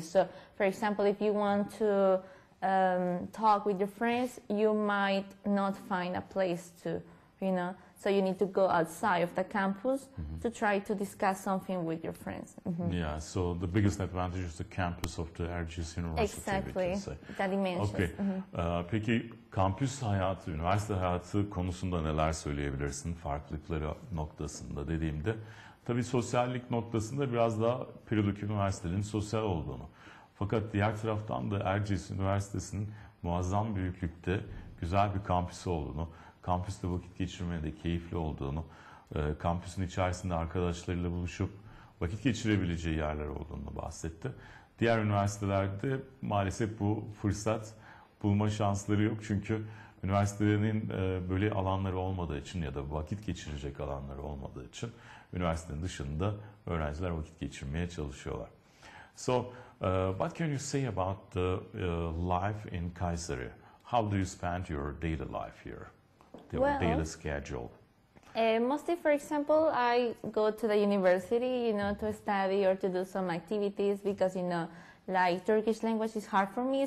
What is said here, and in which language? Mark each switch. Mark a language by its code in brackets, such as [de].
[en] So, for example, if you want to talk with your friends, you might not find a place to, you know, so you need to go outside of the campus to try to discuss something with your friends. Yeah, so the biggest advantage is the campus of the Erciyes University. Exactly, that dimension. [tr] Okay, peki kampüs hayatı, üniversite hayatı konusunda neler söyleyebilirsin farklılıkları noktasında dediğimde? Tabii sosyallik noktasında biraz daha Peru'daki üniversitelerin sosyal olduğunu. Fakat diğer taraftan da Erciyes Üniversitesi'nin muazzam büyüklükte güzel bir kampüsü olduğunu, kampüste vakit geçirmeye de keyifli olduğunu, kampüsün içerisinde arkadaşlarıyla buluşup vakit geçirebileceği yerler olduğunu bahsetti. Diğer üniversitelerde maalesef bu fırsat bulma şansları yok. Çünkü üniversitenin böyle alanları olmadığı için ya da vakit geçirecek alanları olmadığı için üniversitenin dışında öğrenciler vakit geçirmeye çalışıyorlar. [en] So, what can you say about the life in Kayseri? How do you spend your daily life here? Daily schedule. Mostly, for example, I go to the university, you know, to study or to do some activities because, you know, like Turkish language is hard for me.